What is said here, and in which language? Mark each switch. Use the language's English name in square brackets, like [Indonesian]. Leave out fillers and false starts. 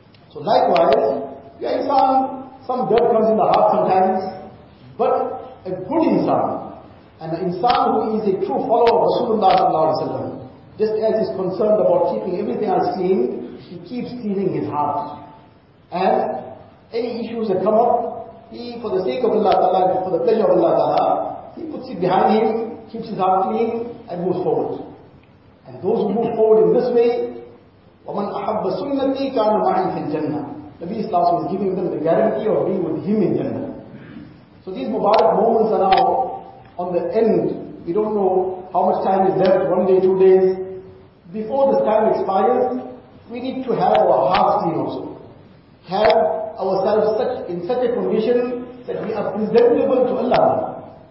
[English] So likewise, we are insan, some dirt comes in the heart sometimes, but a good insan, and an insan who is a true follower of Rasulullah sallallahu alaihi wasallam, just as he's concerned about keeping everything else clean, he keeps cleaning his heart. And any issues that come up, he, for the sake of Allah ta'ala, for the pleasure of Allah ta'ala, he puts it behind him, keeps his heart clean, and moves forward. And those who move forward in this way, wa [Arabic] أحب سنتي كان معي في الجنة. [English] Nabi Islam was giving them the guarantee of being with him in Jannah. So these Mubarak moments are now on the end. We don't know how much time is left, 1 day, 2 days. Before this time expires, we need to have our hearts clean also. Have ourselves such in such a condition that we are presentable to Allah.